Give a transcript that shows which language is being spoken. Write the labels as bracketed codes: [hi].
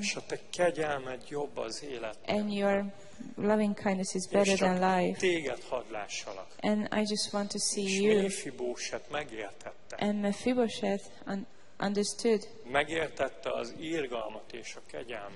[hu] És a te kegyelmed jobb az életem. [en] And your loving kindness is better than life. [hu] Téged hadd lássalak. [en] And I just want to see [hu] és [en] you. [hu] És Mephibosheth megértette. [en] And Mephibosheth understood. [hu] Megértette az irgalmat és a kegyelmet.